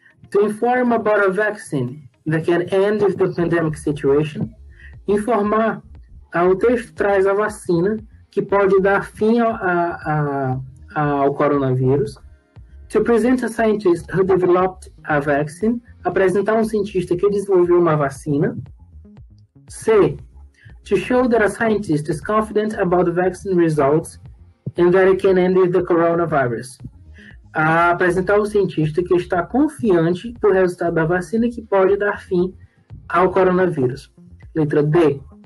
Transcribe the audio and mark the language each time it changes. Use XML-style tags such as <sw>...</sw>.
<en>To inform about a vaccine that can end the pandemic situation.</en> <pt>Informar. O texto traz a vacina que pode dar fim ao coronavírus.</pt> <en>To present a scientist who developed a vaccine.</en> <pt>Apresentar um cientista que desenvolveu uma vacina.</pt> <en>C. To show that a scientist is confident about the vaccine results and that it can end the coronavirus.</en> <pt>Apresentar um cientista que está confiante do resultado da vacina que pode dar fim ao coronavírus. Letra D.</pt>